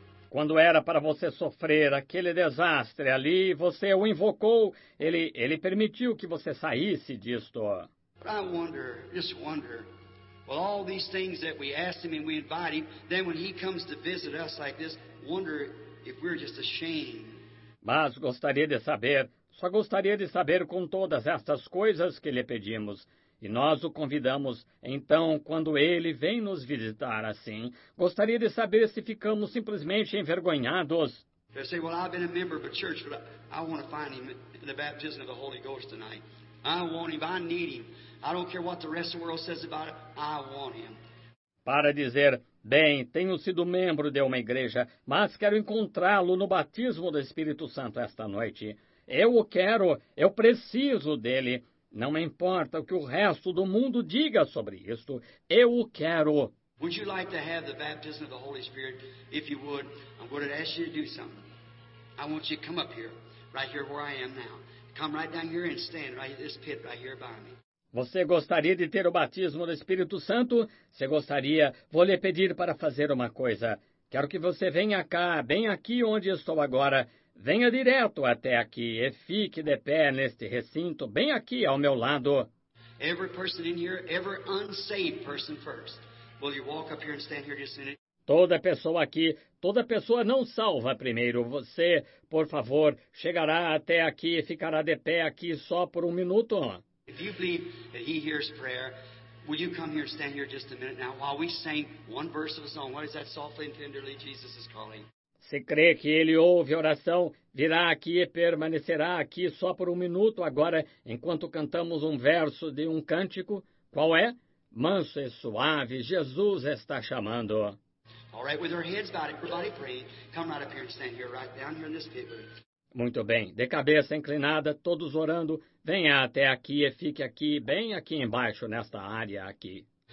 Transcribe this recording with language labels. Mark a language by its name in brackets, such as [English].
[Portuguese] Quando era para você sofrer aquele desastre ali, você o invocou, ele permitiu que você saísse disto. [English] I wonder, just wonder, well, all these things that we ask him and we invite him, then when he comes to visit us like this, wonder if we're just ashamed. [Portuguese] Mas gostaria de saber, só gostaria de saber com todas estas coisas que lhe pedimos. E nós o convidamos, então, quando ele vem nos visitar assim, gostaria de saber se ficamos simplesmente envergonhados. [English] They say, well, I've been a member of a church, but I want to find him in the baptism of the Holy Ghost tonight. I want him, I need him. I don't care what the rest of the world says about it, I want him. [Portuguese] Para dizer, bem, tenho sido membro de uma igreja, mas quero encontrá-lo no batismo do Espírito Santo esta noite. Eu o quero, eu preciso dele. Não importa o que o resto do mundo diga sobre isto, eu o quero. [English] Would you like to have the baptism of the Holy Spirit? If you would, I'm going to ask you to do something. I want you to come up here, right here where I am now. Come right down here and stand right in this pit right here by me. [Portuguese] Você gostaria de ter o batismo do Espírito Santo? Se gostaria, vou lhe pedir para fazer uma coisa. Quero que você venha cá, bem aqui onde estou agora. Venha direto até aqui e fique de pé neste recinto, bem aqui ao meu lado. [English] Every person in here, every unsaved person first. Will you walk up here and stand here just a minute? [Portuguese] Toda pessoa aqui, toda pessoa não salva primeiro. Você, por favor, chegará até aqui e ficará de pé aqui só por um minuto. [English] If you believe that he hears prayer, will you come here, stand here just a minute now, while we sing one verse of a song? What is that softly and tenderly Jesus is calling? [Portuguese] Se crê que ele ouve a oração, virá aqui e permanecerá aqui só por um minuto agora, enquanto cantamos um verso de um cântico. Qual é? Manso e suave, Jesus está chamando. [English] All right, with our heads bowed, everybody pray. Come right up here and stand here, right down here in this pit. [Portuguese] Muito bem, de cabeça inclinada, todos orando, venha até aqui e fique aqui, bem aqui embaixo, nesta área aqui.